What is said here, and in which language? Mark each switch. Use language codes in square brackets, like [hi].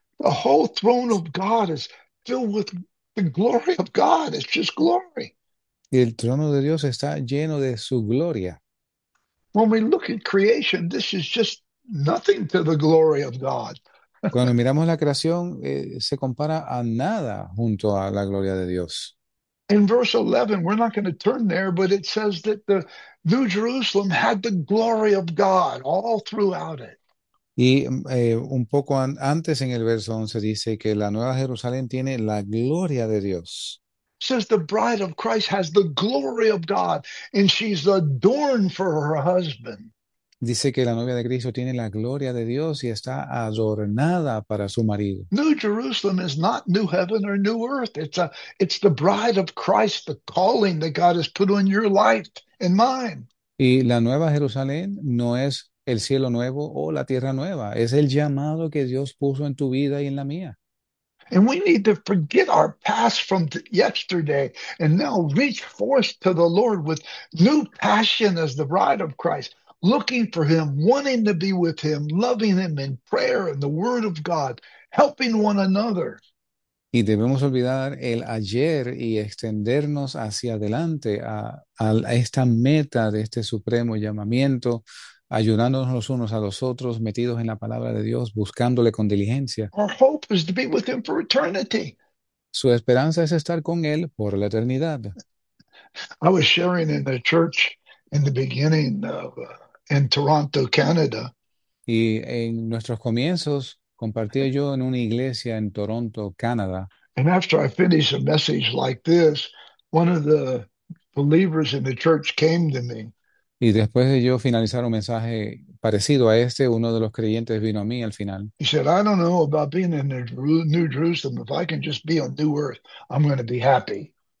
[en] The whole throne of God is filled with the glory of God. It's just glory. [es] Y el trono de Dios está lleno de su gloria. [en] When we look at creation, this is just nothing to the glory of God. [es] Cuando miramos la creación, se compara a nada junto a la gloria de Dios. [en] In verse 11, we're not going to turn there, but it says that the New Jerusalem had the glory of God all throughout it. [es] Y un poco an antes en el verso 11 dice que la Nueva Jerusalén tiene la gloria de Dios. [en] Says the bride of Christ has the glory of God and she's adorned for her husband. [es] Dice que la novia de Cristo tiene la gloria de Dios y está adornada para su marido. [en] New Jerusalem is not new heaven or new earth. It's the bride of Christ, the calling that God has put on your life and mine. [es] Y la Nueva Jerusalén no es el cielo nuevo o la tierra nueva, es el llamado que Dios puso en tu vida y en la mía. [en] And we need to forget our past from yesterday and now reach forth to the Lord with new passion as the bride of Christ, looking for him, wanting to be with him, loving him in prayer and the word of God, helping one another. [es] Y debemos olvidar el ayer y extendernos hacia adelante a esta meta de este supremo llamamiento, ayudándonos los unos a los otros, metidos en la palabra de Dios, buscándole con diligencia. [en] Our hope is to be with him for eternity. [es] Su esperanza es estar con él por la eternidad. [en] I was sharing in the church in the beginning of in Toronto, Canadá. [es] Y en nuestros comienzos, compartía yo en una iglesia en Toronto, Canadá. [en] And after I finished a message like this, one of the believers in the church came to me. [es] Y después de yo finalizar un mensaje parecido a este, uno de los creyentes vino a mí al final. [en] He said, I don't know about being in the New Jerusalem. If I can just be on New Earth, I'm going to be happy.